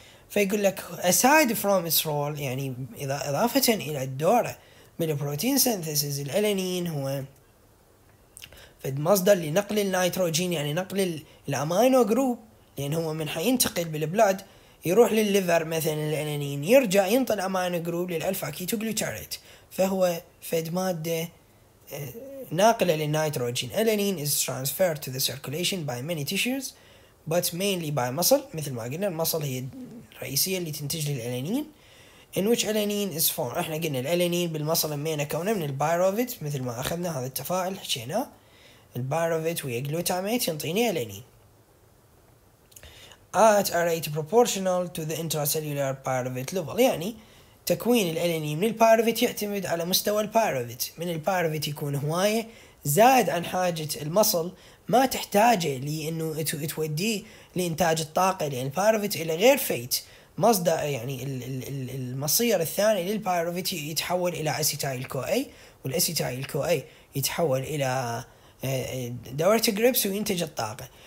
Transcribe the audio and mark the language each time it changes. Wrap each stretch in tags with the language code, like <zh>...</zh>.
<ar>فيقول لك</ar> <en>aside from its role،</en> <ar>يعني إضافة إلى الدورة من البروتين سينثيسيس، الألانين هو فد مصدر لنقل النيتروجين، يعني نقل الأمينو جروب، لأن هو من حينتقل بالبلاد يروح للليفر مثلا، الألانين يرجع ينطل أمينو جروب للألفا كيتو جلوتاريت، فهو فد مادة ناقلة للنيتروجين.</ar> <en>alanine is transferred to the circulation by many tissues but mainly by muscle،</en> <ar>مثل ما قلنا المصل هي الرئيسية اللي تنتج للألانين.</ar> <en>in which alanine is formed،</en> <ar>احنا قلنا الألانين بالمصل مينا كونه من البايروفيت، مثل ما اخذنا هذا التفاعل حكينا البايروفيت ويا جلوتاميت ينطيني ألانين</ar> <en>at a rate proportional to the intracellular pyruvate level.</en> <ar>يعني تكوين الألانين من البايروفيت يعتمد على مستوى البايروفيت، من البايروفيت يكون هواية زاد عن حاجة المصل ما تحتاجه لانه تودي لانتاج الطاقه، لان البايروفيت الى غير فيت مصدر، يعني المصير الثاني للبايروفيت يتحول الى اسيتايل كو اي، والاسيتايل كو اي يتحول الى دوره جريبس وينتج الطاقه.</ar>